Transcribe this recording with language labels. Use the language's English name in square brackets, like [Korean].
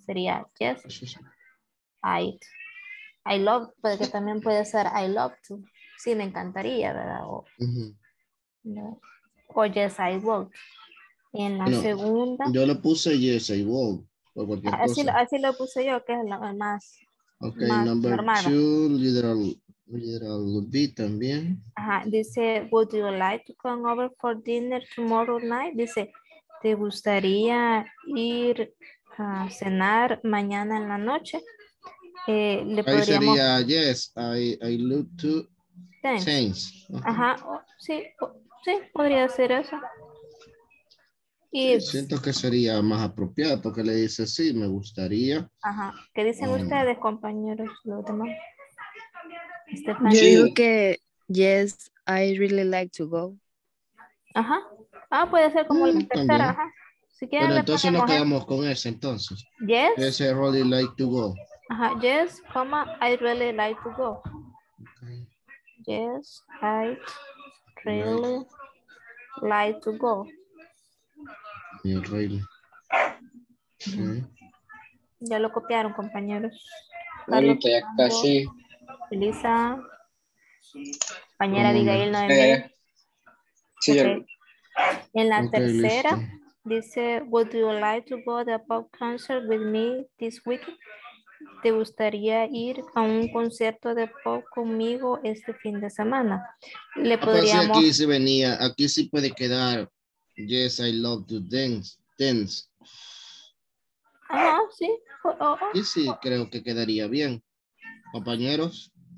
[Spanish] Sería [English] yes, I love, [Spanish] porque también puede ser [English] I love to, [Spanish] sí, me encantaría, ¿verdad? O, ¿no? O [English] yes, I would. [Spanish] Y en la segunda. Yo le puse [English] yes, I would. [Spanish] Así lo puse yo, que es lo más. [English] Ok, [Spanish] más [English] number normal. Two, literal. [Spanish] También. Ajá, dice, [English] would you like to come over for dinner tomorrow night? [Spanish] Dice, ¿te gustaría ir a cenar mañana en la noche? Le ahí podríamos... sería, [English] yes, I look to change. [Spanish] Ajá, sí, podría ser eso. Y... sí, siento que sería más apropiado porque le dice, sí, me gustaría. Ajá, ¿qué dicen ustedes, compañeros? Los demás. Yo digo que [English] yes, I really like to go. [Spanish] Ajá. Ah, puede ser como la tercera. Ajá. Si quieren, pero entonces nos quedamos con ese entonces. [English] Yes. Yes, I really like to go. Ajá. Yes, comma, I really like to go. Okay. Yes, I really like to go. Yeah, really. [Spanish] Okay. Ya lo copiaron, compañeros. Ahorita ya casi. Elisa, compañera Abigail, no hay. Sí, okay. En la tercera, listo. [English] Dice, would you like to go to a pop concert with me this week? [Spanish] ¿Te gustaría ir a un concierto de pop conmigo este fin de semana? Le podríamos... aquí sí venía, aquí sí puede quedar, [English] yes, I love to dance. [Spanish] Ah, sí. Aquí sí creo que quedaría bien. Compañeros.